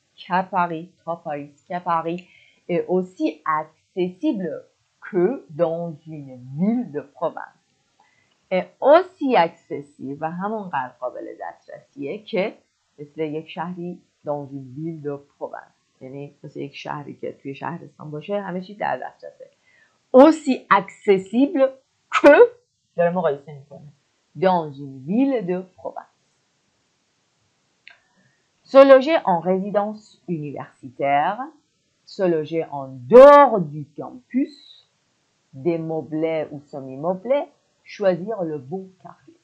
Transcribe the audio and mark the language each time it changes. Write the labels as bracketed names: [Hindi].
[French] Qu'à Paris, trop Paris, qu'à Paris. Et aussi accessible que dans une ville de province. Et aussi accessible, vraiment, quand on parle des associés, que c'est dans une ville de province. [Persian] یعنی مثل یک شهری که توی شهرستان باشه همه چی در دسترسه. [French] aussi accessible que [Persian] در مقایسه میکنه [French] dans une ville de province. Se loger en résidence universitaire, se loger en dehors du campus, des meublés ou semi-meublés, choisir le bon quartier.